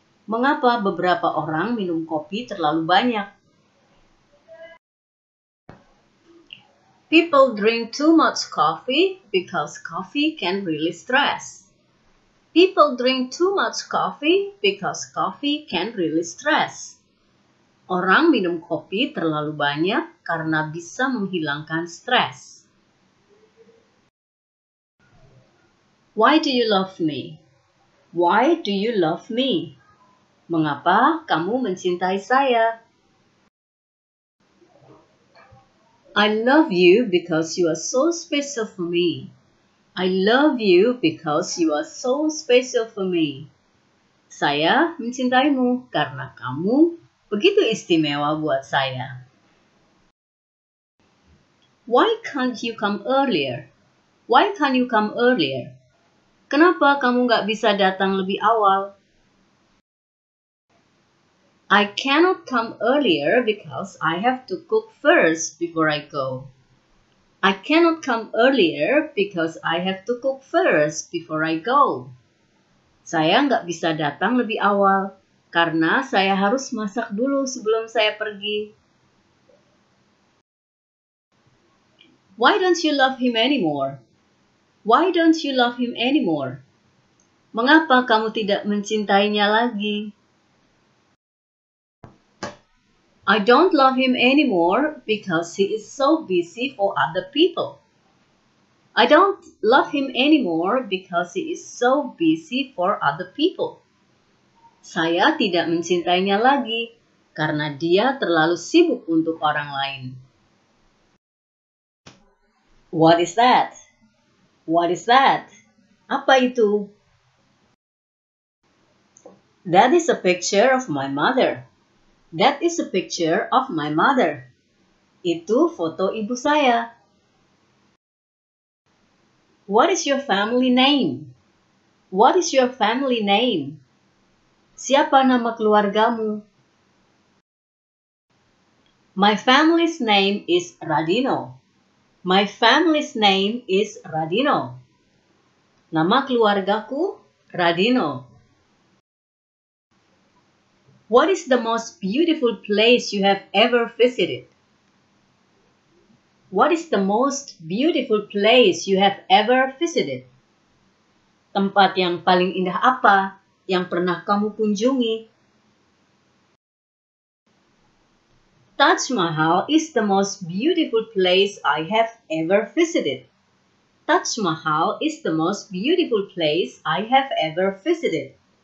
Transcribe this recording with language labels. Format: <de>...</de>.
<id>Mengapa beberapa orang minum kopi terlalu banyak?</id> <en>People drink too much coffee because coffee can really stress. People drink too much coffee because coffee can really stress.</en> <id>Orang minum kopi terlalu banyak karena bisa menghilangkan stres.</id> <en>Why do you love me? Why do you love me?</en> <id>Mengapa kamu mencintai saya?</id> <en>I love you because you are so special for me. I love you because you are so special for me.</en> <id>Saya mencintaimu karena kamu begitu istimewa buat saya.</id> <en>Why can't you come earlier? Why can't you come earlier?</en> <id>Kenapa kamu gak bisa datang lebih awal?</id> <en>I cannot come earlier because I have to cook first before I go. I cannot come earlier because I have to cook first before I go.</en> <id>Saya gak bisa datang lebih awal karena saya harus masak dulu sebelum saya pergi.</id> <en>Why don't you love him anymore? Why don't you love him anymore?</en> <id>Mengapa kamu tidak mencintainya lagi?</id> <en>I don't love him anymore because he is so busy for other people. I don't love him anymore because he is so busy for other people.</en> <id>Saya tidak mencintainya lagi karena dia terlalu sibuk untuk orang lain.</id> <en>What is that? What is that?</en> <id>Apa itu?</id> <en>That is a picture of my mother. That is a picture of my mother.</en> <id>Itu foto ibu saya.</id> <en>What is your family name? What is your family name?</en> <id>Siapa nama keluargamu?</id> <en>My family's name is Radino. My family's name is Radino.</en> <id>Nama keluargaku Radino.</id> <en>What is the most beautiful place you have ever visited? What is the most beautiful place you have ever visited?</en> <id>Tempat yang paling indah apa yang pernah kamu kunjungi?</id> <en>Taj Mahal is the most beautiful place I have ever visited. Taj Mahal is the most beautiful place I have ever visited.</en>